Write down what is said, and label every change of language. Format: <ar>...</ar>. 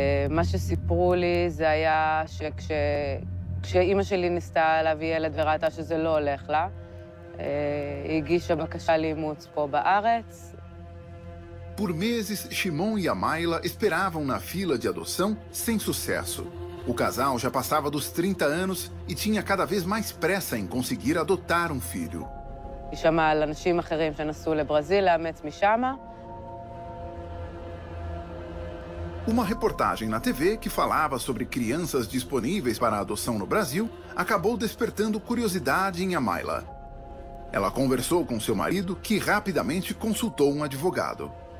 <he>מה שסיפרו לי זה היה שכשאימא שלי ניסתה להביא ילד וראתה שזה לא הולך לה, היא הגישה בקשה לאימוץ פה בארץ.</he> <pt>Por meses, Shimon e Amayla esperavam na fila de adoção sem sucesso. O casal já passava dos 30 anos e tinha cada vez mais pressa em conseguir adotar um filho.</pt> <he>היא שמעה על אנשים אחרים שנסעו לברזיל לאמץ משמה.</he> <pt>Uma reportagem na TV que falava sobre crianças disponíveis para adoção no Brasil acabou despertando curiosidade em Amayla. Ela conversou com seu marido, que rapidamente consultou um advogado.</pt>